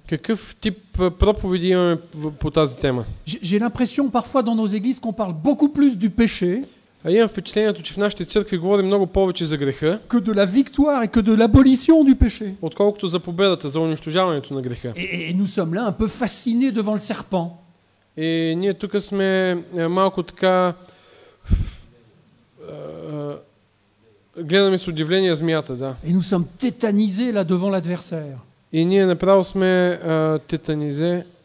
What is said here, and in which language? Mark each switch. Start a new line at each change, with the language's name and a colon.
Bulgarian: Какъв тип проповеди имаме по тази тема?
French: J'ai l'impression parfois dans nos églises qu'on parle beaucoup plus du péché.
Bulgarian: А имам впечатлението, че в нашите църкви говорим много повече за греха.
French: Que de la victoire et que de l'abolition du péché.
Bulgarian: Отколкото за победата, за унищожаването на греха.
French: Et nous sommes là un peu fascinés devant le serpent.
Bulgarian: И ние тук сме малко така гледаме с удивление змията, да.
French: Et nous sommes tétanisés là devant l'adversaire.
Bulgarian: И ние направо сме tétanisés.